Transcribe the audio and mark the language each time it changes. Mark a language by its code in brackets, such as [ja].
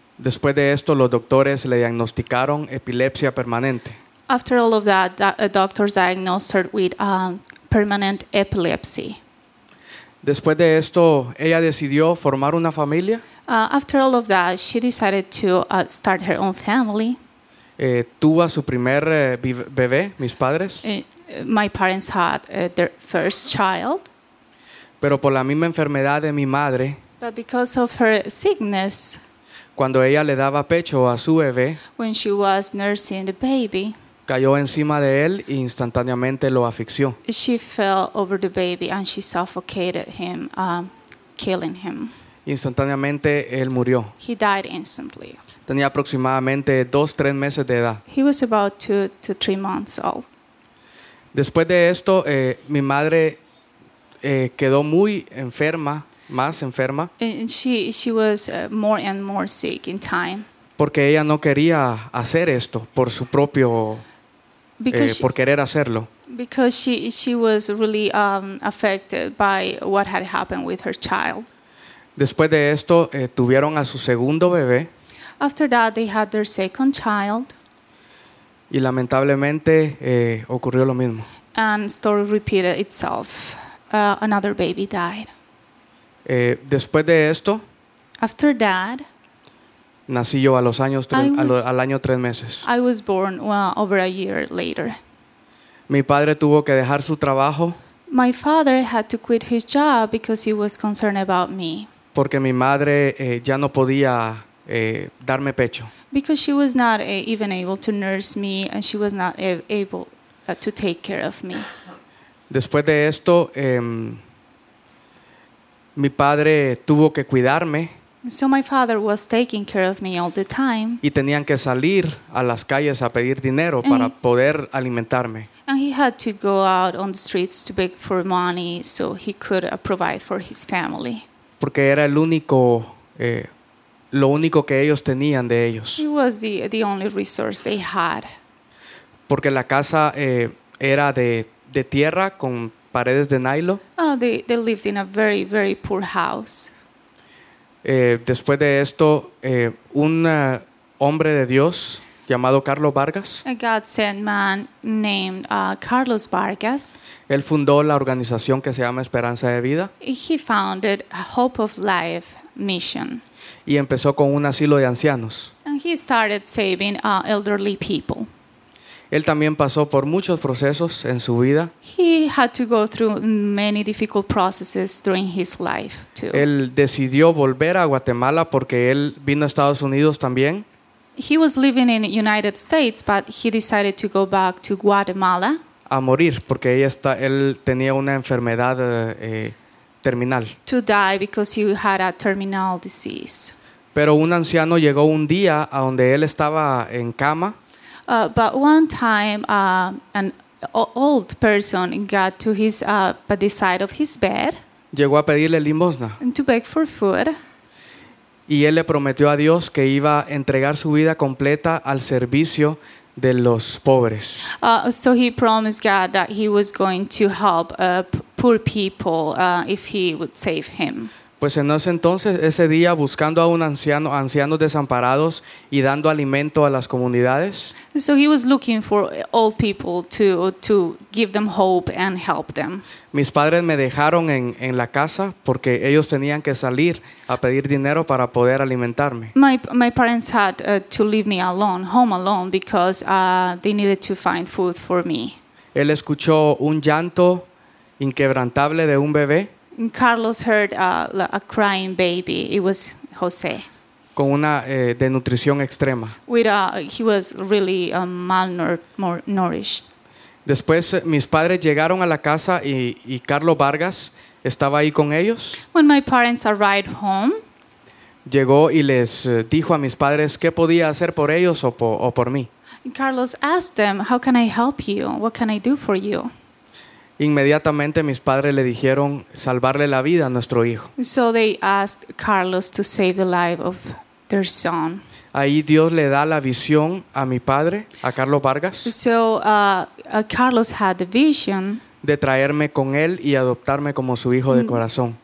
[es] Después de esto, los doctores le diagnosticaron epilepsia permanente. [en] After all of that, doctors diagnosed her with permanent epilepsy. [es] Después de esto, ella decidió formar una familia. [en] After all of that, she decided to start her own family. [es] Tuvo a su primer bebé, mis padres. [en] My parents had their first child. [es] Pero por la misma enfermedad de mi madre. [en] But because of her sickness. [es] Cuando ella le daba pecho a su bebé. [en] When she was nursing the baby. [es] Cayó encima de él e instantáneamente lo asfixió. [en] She fell over the baby and she suffocated him, killing him. [es] Instantáneamente él murió. [en] He died instantly. [es] Tenía aproximadamente 2-3 meses de edad. [en] He was about 2 to 3 months old. [es] Después de esto, mi madre quedó muy enferma, más enferma. [en] And she was more and more sick in time. [es] Porque ella no quería hacer esto por su propio, por querer hacerlo. [en] Because she was really affected by what had happened with her child. [es] Después de esto, tuvieron a su segundo bebé. [en] After that, they had their second child. [es] Y lamentablemente ocurrió lo mismo. [en] And story repeated itself. Another baby died. [es] Después de esto. [en] After that. [es] Nací yo a los años al año 3 meses. [en] I was born over a year later. [es] Mi padre tuvo que dejar su trabajo. [en] My father had to quit his job because he was concerned about me. [es] Porque mi madre ya no podía darme pecho. [en] Because she was not even able to nurse me, and she was not able to take care of me. [es] Después de esto, mi padre tuvo que cuidarme. [en] So my father was taking care of me all the time. [es] Y tenían que salir a las calles a pedir dinero para poder alimentarme. [en] And he had to go out on the streets to beg for money so he could provide for his family. [es] Porque era el único. Lo único que ellos tenían de ellos. [en] It was the only resource they had. [es] Porque la casa era de tierra con paredes de nylon. [en] Oh, they lived in a very, very poor house. [es] Después de esto, un hombre de Dios llamado Carlos Vargas. [en] A God-sent man named Carlos Vargas. [es] Él fundó la organización que se llama Esperanza de Vida. [en] He founded a Hope of Life Mission. [es] Y empezó con un asilo de ancianos. [en] And he started saving elderly people. [es] Él también pasó por muchos procesos en su vida. [en] He had to go through many difficult processes during his life too. [es] Él decidió volver a Guatemala porque él vino a Estados Unidos también. [en] He was living in the United States, but he decided to go back to Guatemala. [es] A morir porque él tenía una enfermedad terminal. [en] To die because he had a terminal disease. [es] Pero un anciano llegó un día a donde él estaba en cama. [en] But one time, an old person got to his the side of his bed. [es] Llegó a pedirle limosna. [en] And to beg for food. [es] Y él le prometió a Dios que iba a entregar su vida completa al servicio de los pobres. [en] So he promised God that he was going to help poor people if he would save him. [es] Pues en ese entonces, ese día, buscando a un anciano, ancianos desamparados y dando alimento a las comunidades. [en] So he was looking for old people to give them hope and help them. [es] Mis padres me dejaron en la casa porque ellos tenían que salir a pedir dinero para poder alimentarme. [en] My parents had to leave me alone, home alone, because they needed to find food for me. [es] Él escuchó un llanto inquebrantable de un bebé. [en] Carlos heard a crying baby. It was Jose. [es] Con una desnutrición extrema. [en] He was really malnourished. [es] Después mis padres llegaron a la casa y Carlos Vargas estaba ahí con ellos. [en] When my parents arrived home, [es] llegó y les dijo a mis padres qué podía hacer por ellos o por mí. [en] Carlos asked them, "How can I help you? What can I do for you?" [es] Inmediatamente mis padres le dijeron salvarle la vida a nuestro hijo. [en] So they asked Carlos to save the life of their son. [es] Ahí Dios le da la visión a mi padre, a Carlos Vargas. [en] So Carlos had the vision [es] de traerme con él y adoptarme como su hijo de corazón.